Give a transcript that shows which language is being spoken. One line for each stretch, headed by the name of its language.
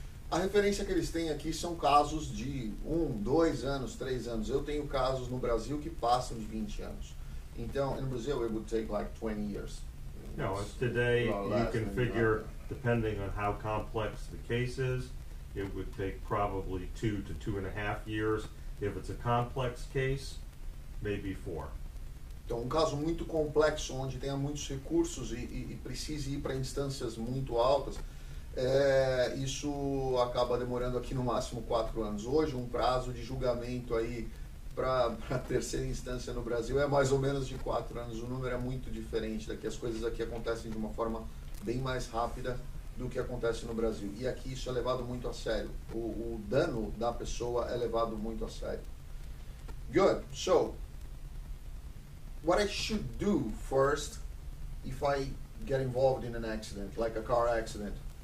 Portuguese: A referência que eles têm aqui são casos de 1, 2 anos, 3 anos. Eu tenho casos no Brasil que passam de 20 anos.
English: Então, in Brazil, it would take like 20 years. No, it's today, you can figure, depending on how complex the case is, it would take probably 2 to 2.5 years. If it's a complex case, maybe 4.
Portuguese: Então, caso muito complexo, onde tenha muitos recursos e precise ir para instâncias muito altas, isso acaba demorando aqui no máximo 4 anos. Hoje, prazo de julgamento aí para a terceira instância no Brasil é mais ou menos de 4 anos. O número é muito diferente daqui. As coisas aqui acontecem de uma forma bem mais rápida do que acontece no Brasil. E aqui isso é levado muito a sério. O dano da pessoa é levado muito a sério.
English: Good. So, what I should do first if I get involved in an accident, like a car accident?